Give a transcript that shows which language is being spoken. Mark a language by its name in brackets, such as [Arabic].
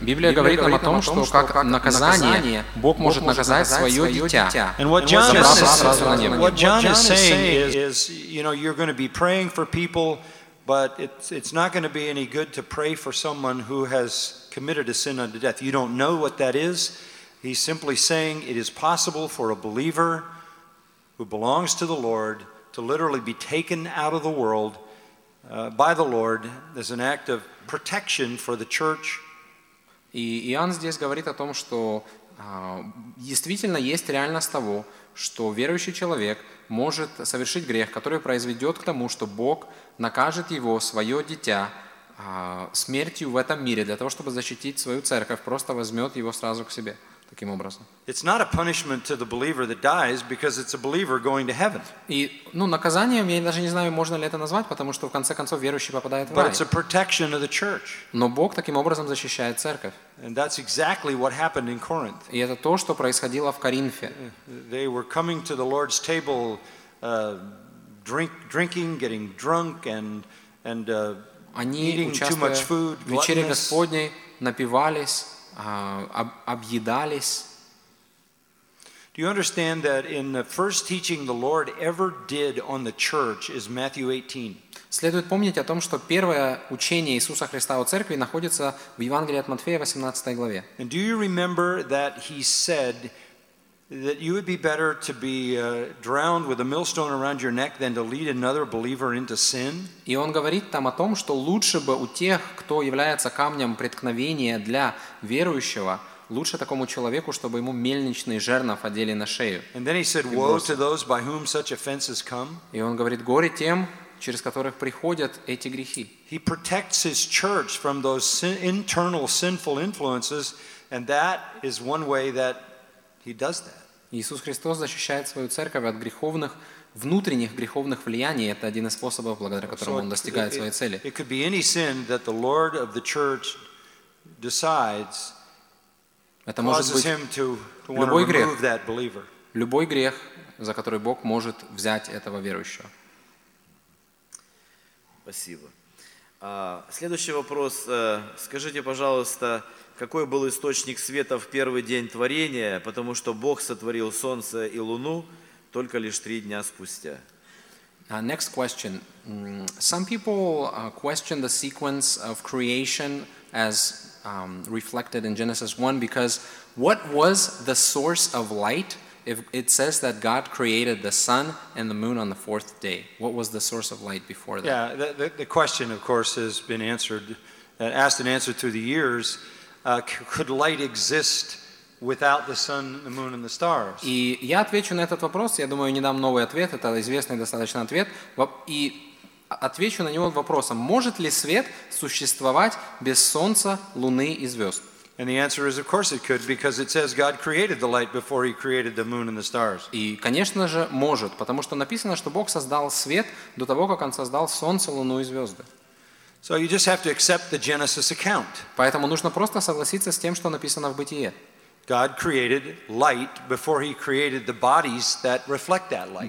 [Russian] Библия говорит нам о том, что как наказание Бог может наказать свое дитя. [English] And what John is saying is, you know, you're going to be praying for people, but it's not going to be any good to pray for someone who has committed a sin unto death. You don't know what that is. He's simply saying it is possible for a believer who belongs to the Lord to literally be taken out of the world by the Lord as an act of protection for the church. [Russian] И Иоанн здесь говорит о том, что действительно есть реальность того, что верующий человек может совершить грех, который произведет к тому, что Бог накажет его, свое дитя, смертью в этом мире, для того, чтобы защитить свою церковь, просто возьмет его сразу к себе. Таким образом. [English] It's not a punishment to the believer that dies because it's a believer going to heaven. [Russian] И, ну, наказанием я даже не знаю, можно ли это назвать, потому что в конце концов верующий попадает в рай. [English] But it's a protection of the church. [Russian] Но Бог таким образом защищает церковь. [English] And that's exactly what happened in Corinth. [Russian] И это то, что происходило в Коринфе. [English] They were coming to the Lord's table drinking, getting drunk and eating too much food. [Russian] В вечере Господней напивались. [English] Do you understand that in the first teaching the Lord ever did on the church is Matthew 18? [Russian] Следует помнить о том, что первое учение Иисуса Христа о церкви находится в Евангелии от Матфея 18 главе. [English] And do you remember that he said that you would be better to be drowned with a millstone around your neck than to lead another believer into sin? [Russian] И он говорит там о том, что лучше бы у тех, кто является камнем преткновения для верующего, лучше такому человеку, чтобы ему мельничный жернов одели на шею. [English] And then he said, "Woe to those by whom such offenses come." [Russian] И он говорит: горе тем, через которых приходят эти грехи. [English] He protects his church from those internal sinful influences, and that is one way that He does that. [Russian] Иисус Христос защищает свою церковь от греховных внутренних греховных влияний. Это один из способов, благодаря которому он достигает своей цели. [English] It could be any sin that the Lord of the church decides causes him to want to remove that believer. [Russian] Любой грех, за который Бог может взять этого верующего. Спасибо. Следующий вопрос. Скажите, пожалуйста. Какой был источник света в первый день творения, потому что Бог сотворил солнце и луну только лишь три дня спустя? [English] Next question. Some people question the sequence of creation as reflected in Genesis 1, because what was the source of light? If it says that God created the sun and the moon on the fourth day, what was the source of light before that? Yeah, the question, of course, has been answered, asked and answered through the years. Could light exist without the sun, the moon, and the stars? [Russian] И я отвечу на этот вопрос. Я думаю, не дам новый ответ. Это известный достаточно ответ. И отвечу на него вопросом: может ли свет существовать без солнца, луны и звезд? [English] And the answer is, of course, it could, because it says God created the light before He created the moon and the stars. [Russian] И конечно же может, потому что написано, что Бог создал свет до того, как Он создал солнце, луну и звезды. [English] So you just have to accept the Genesis account. [Russian] Поэтому нужно просто согласиться с тем, что написано в Бытие. [English] God created light before He created the bodies that reflect that light.